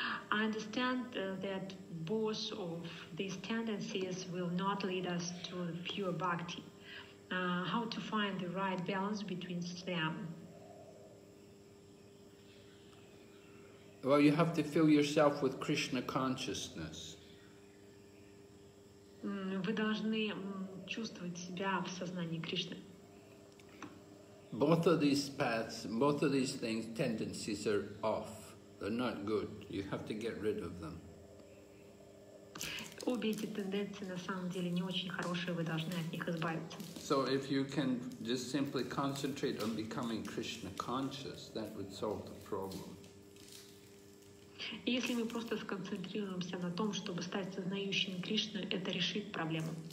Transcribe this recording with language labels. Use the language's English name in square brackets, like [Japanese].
[English] I understand that both of these tendencies will not lead us to pure bhakti. How to find the right balance between them? Well, you have to fill yourself with Krishna consciousness. [Russian] Вы должны чувствовать себя в сознании Кришны. [English] Both of these paths, both of these things, tendencies are off. They're not good. You have to get rid of them. [Russian] Обе эти тенденции на самом деле не очень хорошие, вы должны от них избавиться. [English] So if you can just simply concentrate on becoming Krishna conscious, that would solve the problem. [Russian] Если мы просто сконцентрируемся на том, чтобы стать сознающим Кришну, это решит проблему.